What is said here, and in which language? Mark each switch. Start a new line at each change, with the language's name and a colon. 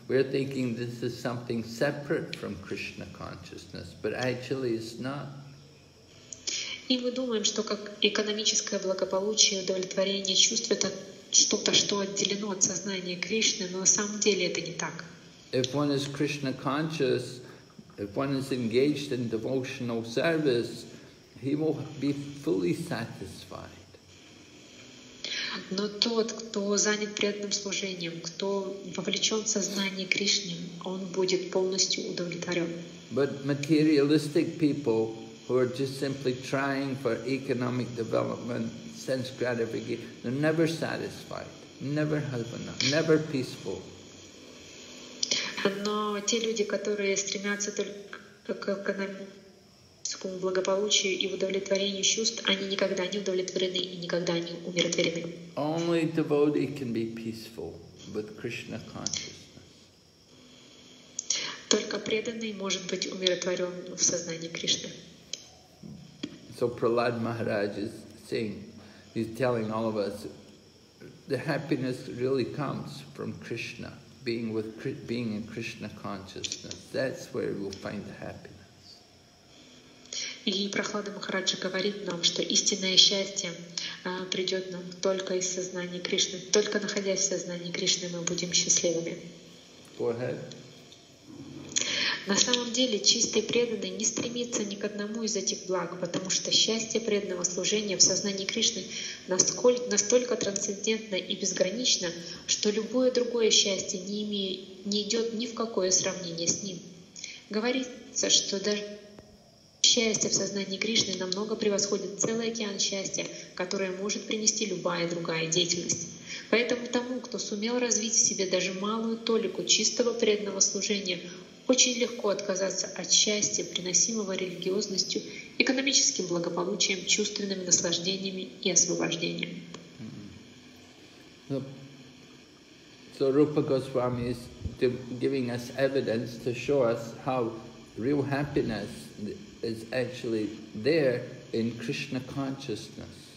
English: We're thinking this is something separate from Krishna consciousness, but actually it's not.
Russian: И мы думаем, что как экономическое благополучие, удовлетворение чувств — это что-то, что отделено от сознания Кришны, но на самом деле это не так.
English: If one is Krishna conscious, if one is engaged in devotional service, he will be fully satisfied.
Russian: Но тот, кто занят преданным служением, кто вовлечен в сознание Кришны, он будет полностью удовлетворен.
English: But materialistic people who are just simply trying for economic development, sense gratification, they're never satisfied, never have enough, never peaceful.
Russian: Но те люди, которые стремятся только к экономическому благополучию и удовлетворению чувств, они никогда не удовлетворены и никогда не умиротворены.
English: Only devotee can be peaceful with Krishna consciousness.
Russian: Только преданный может быть умиротворен в сознании Кришны.
English: So Prahlad Maharaj is saying, he's telling all of us, the happiness really comes from Krishna, being in Krishna consciousness. That's where we'll find the happiness.
Russian: И Прохлада Махараджа говорит нам, что истинное счастье придет нам только из сознания Кришны. Только находясь в сознании Кришны, мы будем счастливыми.
English: Go ahead.
Russian: На самом деле, чистый преданный не стремится ни к одному из этих благ, потому что счастье преданного служения в сознании Кришны настолько трансцендентно и безгранично, что любое другое счастье не идет ни в какое сравнение с ним. Говорится, что даже счастье в сознании Кришны намного превосходит целый океан счастья, которое может принести любая другая деятельность. Поэтому тому, кто сумел развить в себе даже малую толику чистого преданного служения, очень легко отказаться от счастья, приносимого религиозностью, экономическим благополучием, чувственными наслаждениями и освобождением.
English: So Rupa Goswami is giving us evidence to show us how real happiness is actually there in Krishna consciousness.